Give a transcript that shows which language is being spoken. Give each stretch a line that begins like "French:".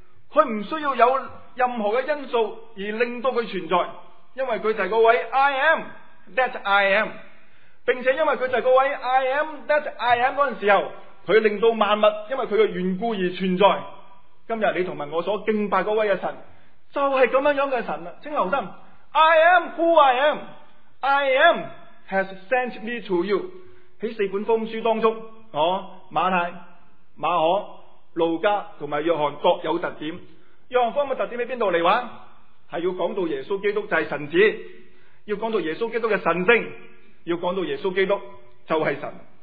Chinese: 他不需要有任何的因素而令到他存在，因为他就是那位
English: I am that I am，
Chinese: 并且因为他就是那位 I am that I am 的时候，他令到万物因为他的缘故而存在。今天你和我所敬拜那位的神就是这样的神。请留心，
English: I am who I am， I am has sent me to you。
Chinese: 在四本福音书当中，我马太、马可、路加和约翰各有特点。约翰福音的特点在哪里？是要讲到耶稣基督就是神子，要讲到耶稣基督的神性，要讲到耶稣基督就是神。